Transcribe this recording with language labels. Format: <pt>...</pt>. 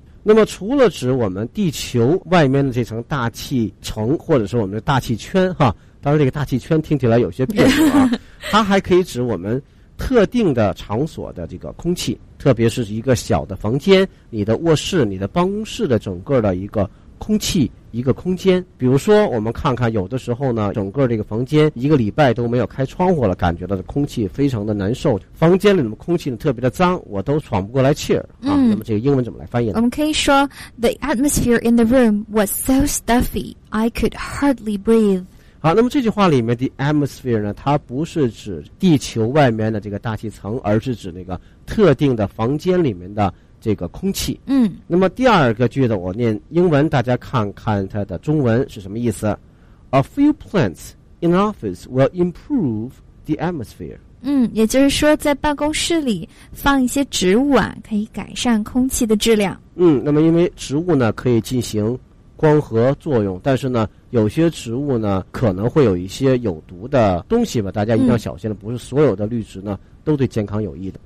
<zh>那么除了指我们地球外面的这层大气层，或者是我们的大气圈哈，当然这个大气圈听起来有些别扭啊，它还可以指我们特定的场所的这个空气，特别是一个小的房间，你的卧室，你的办公室的整个的一个空气，一个空间。比如说我们看看，有的时候呢整个这个房间一个礼拜都没有开窗户了，感觉到的空气非常的难受，房间里的空气呢特别的脏，我都喘不过来气儿、那么这个英文怎么来翻译呢？我们可以说</zh> <en>The atmosphere in the room was so stuffy I could hardly breathe。</en> <zh>好，那么这句话里面的 atmosphere 呢，它不是指地球外面的这个大气层，而是指那个特定的房间里面的这个空气。那么第二个句子我念英文，大家看看它的中文是什么意思。</zh> <en>A few plants in office will improve the atmosphere。</en> <zh>也就是说在办公室里放一些植物啊，可以改善空气的质量。那么因为植物呢可以进行光合作用，但是呢有些植物呢可能会有一些有毒的东西吧，大家一定要小心了。不是所有的绿植呢都对健康有益的。</zh>